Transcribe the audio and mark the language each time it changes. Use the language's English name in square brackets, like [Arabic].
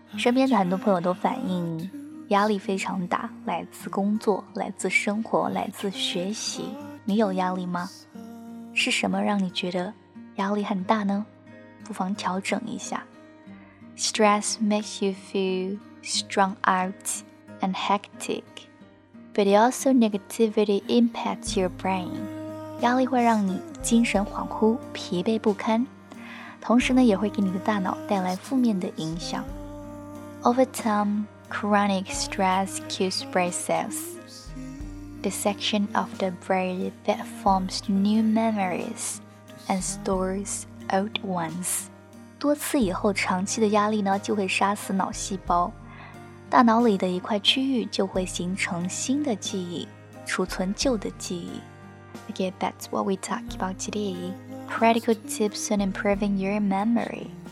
[Chinese] 身边的很多朋友都反映压力非常大，来自工作，来自生活，来自学习。你有压力吗？是什么让你觉得压力很大呢？不妨调整一下。 [English] Stress makes you feel strung out and hectic, but it also negativity impacts your brain. [Chinese] 压力会让你精神恍惚，疲惫不堪，同时呢，也会给你的大脑带来负面的影响。 [English] Over time, chronic stress kills brain cells, the section of the brain that forms new memories and stores old ones. [Chinese] 多次以后，长期的压力呢，就会杀死脑细胞，大脑里的一块区域就会形成新的记忆，储存旧的记忆。 [English] Okay, that's what we talk about today. Practical tips on improving your memory.